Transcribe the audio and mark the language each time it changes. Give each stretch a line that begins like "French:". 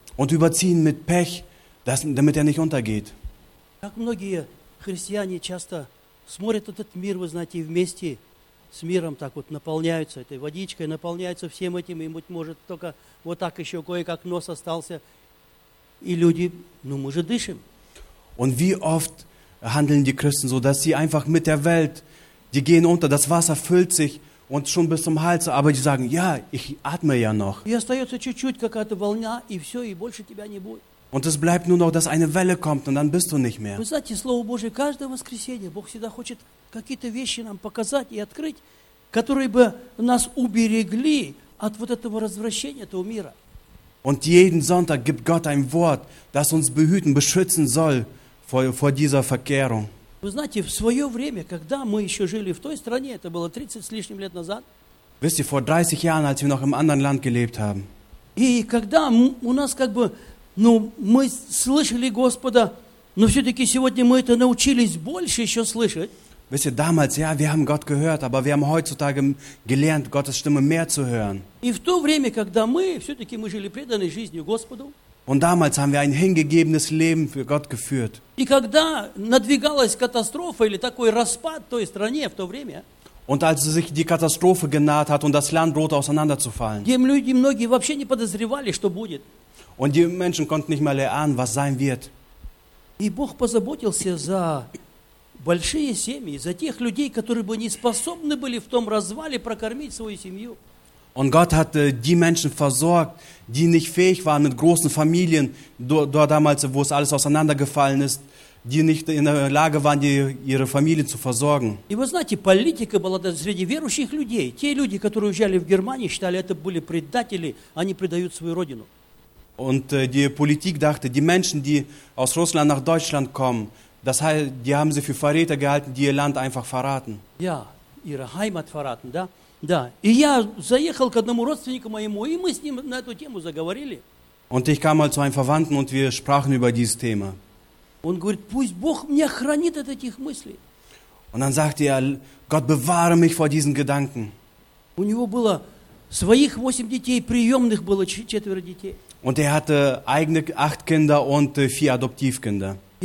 German: Und überzieh ihn mit Pech. Das, damit er nicht untergeht.
Russian: Как многие христиане часто смотрят этот мир, вы знаете, вместе с миром так вот наполняются этой водичкой, наполняются всем этим, и быть может только вот так еще кое-как нос остался, и люди, ну мы же дышим.
German: Und wie oft handeln die Christen so, dass sie einfach mit der Welt, die gehen unter, das Wasser füllt sich und schon bis zum Hals, aber die sagen, ja, ich atme ja noch.
Russian: И остается чуть-чуть какая-то волна, и все, и больше тебя не будет.
German: Und es bleibt nur noch, dass eine Welle kommt und dann bist du nicht mehr.
Russian: Вы знаете, Слово Божие, каждое воскресенье Бог всегда хочет какие-то вещи нам показать и открыть, которые бы нас уберегли от вот этого развращения, этого мира.
German: Und jeden Sonntag gibt Gott ein Wort, das uns behüten, beschützen soll vor dieser Verkehrung.
Russian: Вы знаете, в свое время, когда мы еще жили в той стране, это было 30 с лишним лет назад.
German: Wisst ihr, vor 30 Jahren, als wir noch im anderen Land gelebt haben.
Russian: И когда у нас как бы ну, мы слышали Господа, но все-таки сегодня мы это научились больше еще слышать.
German: Wisst ihr, damals, ja, wir haben Gott gehört, aber wir haben heutzutage gelernt, Gottes Stimme mehr zu hören.
Russian: И в то время, когда мы все-таки мы жили преданной жизнью Господу.
German: Und damals haben wir ein hingegebenes Leben für Gott geführt.
Russian: И когда надвигалась катастрофа или такой распад той стране в то время.
German: Und als sich die Katastrophe genaht hat und das Land drohte auseinanderzufallen.
Russian: Где люди многие вообще не подозревали, что будет.
German: Und die Menschen konnten nicht mal erahnen, was sein wird.
Russian: И Бог позаботился за большие семьи, за тех людей, которые бы не способны были в том развале прокормить свою семью.
German: Und Gott hat die Menschen versorgt, die nicht fähig waren mit großen Familien, dort damals, wo es alles auseinandergefallen ist, die nicht in der Lage waren, ihre Familie zu versorgen.
Russian: И вы знаете, политика была среди верующих людей. Те люди, которые уезжали в Германию, считали, это были предатели, они предают свою родину.
German: Und die Politik dachte, die Menschen, die aus Russland nach Deutschland kommen, das heißt, die haben sie für Verräter gehalten, die ihr Land einfach verraten. Ja, ihre Heimat verraten, da. Da.
Russian: И я заехал к одному родственнику моему, и мы с ним на эту тему заговорили.
German: Und ich kam mal zu einem Verwandten und wir sprachen über dieses Thema.
Russian: Он говорит, пусть Бог меня хранит от этих мыслей.
German: Und dann sagte er, Gott bewahre mich vor diesen Gedanken.
Russian: У него было своих 8 детей, приемных было 4 детей.
German: Und er hatte eigene 8 Kinder und 4 Adoptivkinder.